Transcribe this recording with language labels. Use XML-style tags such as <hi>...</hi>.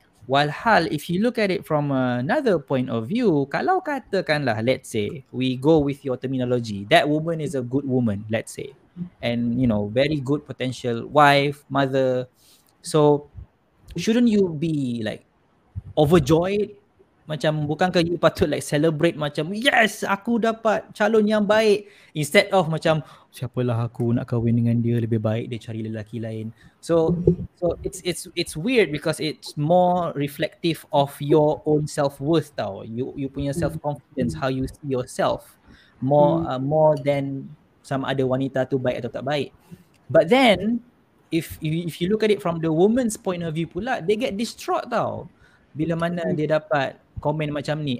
<ms>Walhal,</ms> <en>if you look at it from another point of view,</en> <ms>kalau katakanlah,</ms> <en>let's say, we go with your terminology, that woman is a good woman, let's say. And, you know, very good potential wife, mother. So, shouldn't you be like overjoyed?</en> <ms>Macam bukankah you patut</ms> <en>like celebrate</en> <ms>macam</ms> <en>yes</en> <ms>aku dapat calon yang baik, instead of macam siapalah aku nak kahwin dengan dia, lebih baik dia cari lelaki lain.</ms> <en>So it's weird because it's more reflective of your own self-worth</en> <ms>tau, you punya</ms> <en>self-confidence, how you see yourself more than</en> <ms>sama ada wanita tu baik atau tak baik.</ms> <en>But then if you look at it from the woman's point of view</en> <ms>pula,</ms> <en>they get distraught</en> <ms>tau bila mana dia dapat komen macam ni.</ms>